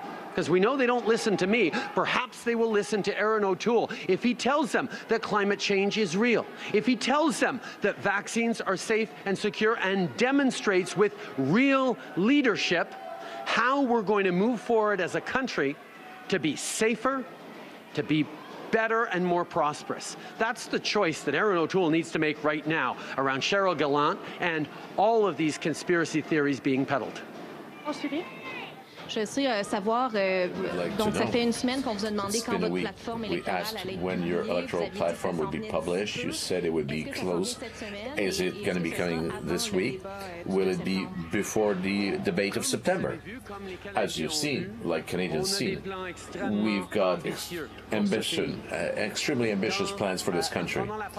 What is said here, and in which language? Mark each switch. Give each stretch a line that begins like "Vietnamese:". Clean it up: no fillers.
English: Because we know they don't listen to me. Perhaps they will listen to Erin O'Toole if he tells them that climate change is real, if he tells them that vaccines are safe and secure and demonstrates with real leadership how we're going to move forward as a country to be safer, to be better and more prosperous. That's the choice that Erin O'Toole needs to make right now around Cheryl Gallant and all of these conspiracy theories being peddled.
French: Je sais savoir, donc ça fait une semaine qu'on vous a demandé quand votre plateforme électorale allait être publiée.
English: When your electoral platform would be published, you said it would be closed. Is it going to be coming this week? Will it be before the debate of September? As you've seen, like Canadians see, we've got extremely ambitious plans for this country.